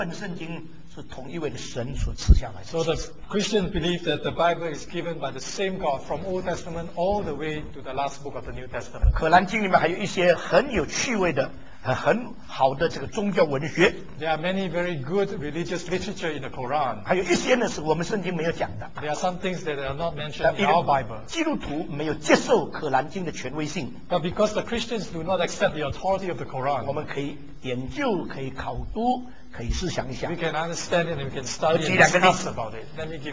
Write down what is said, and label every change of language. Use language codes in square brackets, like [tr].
[zh] 所以将基督徒相信，在旧约里面的律法、诗篇、历史书、先知书，一直到福音，从保罗书信、彼得书信，全本圣经是同一位的神所赐下来的。 [en] So the Christians believe that the Bible is given by the same God from Old Testament all the way to the last book of the New Testament. [zh] 可兰经里面还有一些很有趣味的。很好的这个宗教文学 [en] There are many very good religious literature in the Quran [zh] 还有一些呢是我们圣经没有讲的 [en] There are some things that are not mentioned in our Bible [zh] 基督徒没有接受可兰经的权威性 [en] But because the Christians do not accept the authority of the Quran [zh] 我们可以研究可以考读 [en] We can understand it and we can study and discuss about it Let me give you